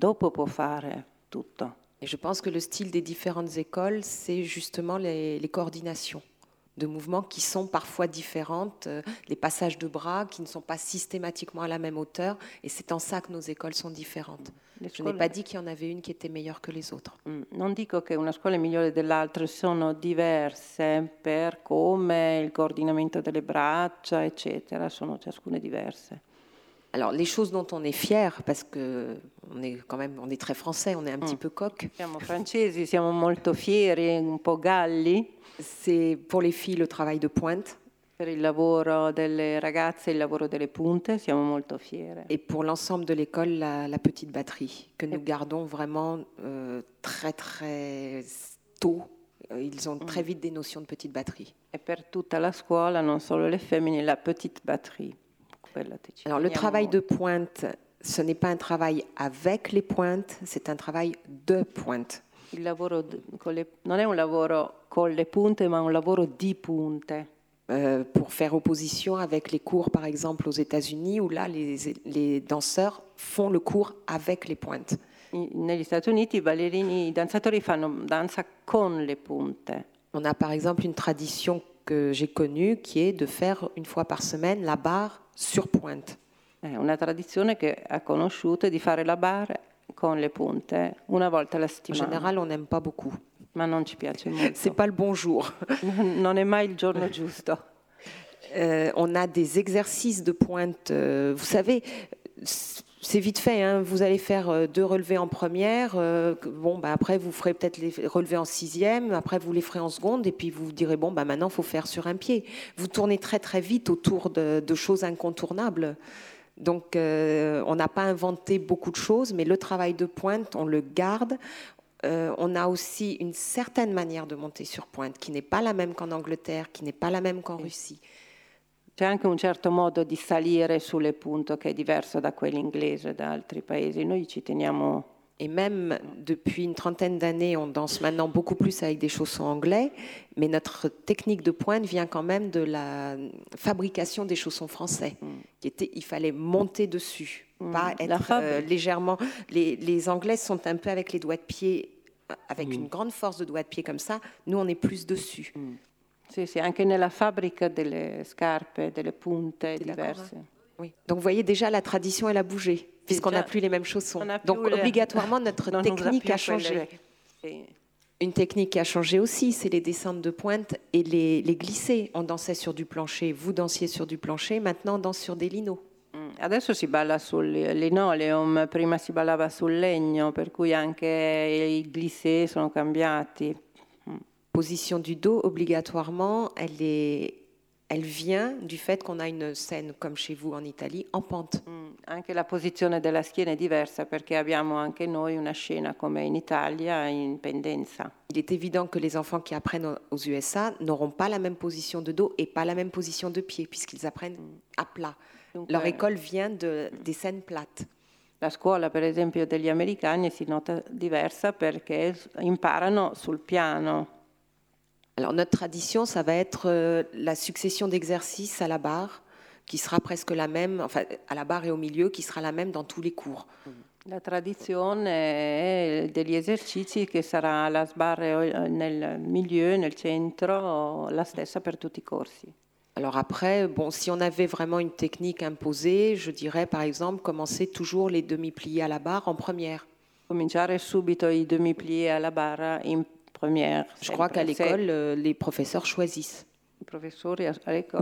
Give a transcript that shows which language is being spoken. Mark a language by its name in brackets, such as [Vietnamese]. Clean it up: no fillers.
[Italian] Dopo può fare tutto. [French] Et je pense que le style des différentes écoles, c'est justement les coordinations de mouvements qui sont parfois différentes, les passages de bras qui ne sont pas systématiquement à la même hauteur, et c'est en ça que nos écoles sont différentes. Je n'ai pas dit qu'il y en avait une qui était meilleure que les autres. [Italian] Non dico che una scuola è migliore dell'altra, sono diverse per come il coordinamento delle braccia, eccetera, sono ciascuna diverse. [French] Alors les choses dont on est fier, parce que on est très français, on est un petit peu coq. [Italian] Siamo francesi, siamo molto fieri, un po' galli. [French] C'est pour les filles le travail de pointe. [Italian] Per il lavoro delle ragazze, il lavoro delle punte, siamo molto fiere. [French] Et pour l'ensemble de l'école, la petite batterie, que nous gardons vraiment très très tôt. Ils ont très vite des notions de petite batterie. [Italian] Et per tutta la scuola, non solo le femmine, la petite batterie. [French] Alors le travail de pointe, ce n'est pas un travail avec les pointes, c'est un travail de pointe. [Italian] Il lavoro con le, non è un lavoro con le punte, ma un lavoro di punte. [French] Pour faire opposition avec les cours, par exemple, aux États-Unis, où là, les danseurs font le cours avec les pointes. [Italian] Negli Stati Uniti, i ballerini, i danzatori fanno danza con le punte. [French] On a par exemple une tradition que j'ai connue, qui est de faire une fois par semaine la barre sur pointe. [Italian] Una tradizione che ha conosciuto di fare la barre con le punte una volta alla settimana. [French] En général, on n'aime pas beaucoup. [Italian] Ma non ci piace molto. [French] C'est pas le bon jour. [Italian] Non è mai il giorno giusto. [French] On a des exercices de pointe. Vous savez, c'est vite fait. Hein. Vous allez faire deux relevés en première. Bon, bah, après, vous ferez peut-être les relevés en sixième. Après, vous les ferez en seconde. Et puis, vous vous direz, bon, bah, maintenant, il faut faire sur un pied. Vous tournez très, très vite autour de choses incontournables. Donc, on n'a pas inventé beaucoup de choses, mais le travail de pointe, on le garde. On a aussi une certaine manière de monter sur pointe qui n'est pas la même qu'en Angleterre, qui n'est pas la même qu'en Russie. [Italian] C'è anche un certo modo di salire sulle punte che è diverso da quello inglese da altri paesi. Noi ci teniamo. [French] Et même depuis une trentaine d'années, on danse maintenant beaucoup plus avec des chaussons anglais, mais notre technique de pointe vient quand même de la fabrication des chaussons français. Qui était, il fallait monter dessus, pas être légèrement. Les Anglais sont un peu avec les doigts de pied, avec une grande force de doigts de pied comme ça. Nous, on est plus dessus. [Italian] Sì, sì, anche nella fabbrica delle scarpe, delle punte diverse. [French] Oui. Donc vous voyez déjà la tradition elle a bougé puisqu'on n'a plus les mêmes chaussons. Donc obligatoirement notre technique a changé. Une technique qui a changé aussi, c'est les descentes de pointe et les glissés. On dansait sur du plancher, vous dansiez sur du plancher, maintenant on danse sur des linos. [Italian] Adesso si balla sul linoleum, prima si ballava sul legno, per cui anche i glissés sono cambiati. [French] Position du dos obligatoirement, elle vient du fait qu'on a une scène comme chez vous en Italie en pente. [Italian] Anche la posizione della schiena è diversa perché abbiamo anche noi una scena come in Italia in pendenza. [French] Il est évident que les enfants qui apprennent aux USA n'auront pas la même position de dos et pas la même position de pied puisqu'ils apprennent à plat. Dunque, leur école vient des scènes plates. [Italian] La scuola, per esempio, degli americani si nota diversa perché imparano sul piano. [French] Alors notre tradition, ça va être la succession d'exercices à la barre, qui sera presque la même, enfin à la barre et au milieu, qui sera la même dans tous les cours. La tradition est [Italian] degli esercizi che sarà la barre nel milieu, nel centro, la stessa per tutti i corsi. [French] Alors après, bon, si on avait vraiment une technique imposée, je dirais par exemple commencer toujours les demi-pliés à la barre en première. [Italian] Cominciare subito i demi-pliés à la barre in première. [French] Je crois qu'à l'école, les professeurs choisissent. [Italian] I professori a l'école.